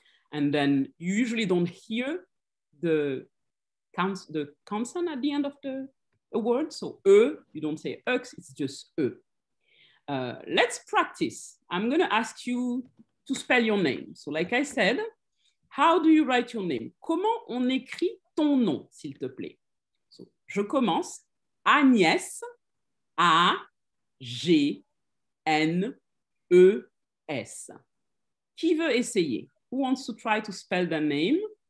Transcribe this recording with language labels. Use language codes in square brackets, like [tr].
[en] And then you usually don't hear the consonant at the end of the word, so E, you don't say UX, it's just E. Let's practice. I'm gonna ask you to spell your name. So like I said, how do you write your name? [fr] Comment on écrit ton nom, s'il te plaît? So je commence. Agnès, A-G-N-E-S. Qui veut essayer? [en] Who wants to try to spell their name?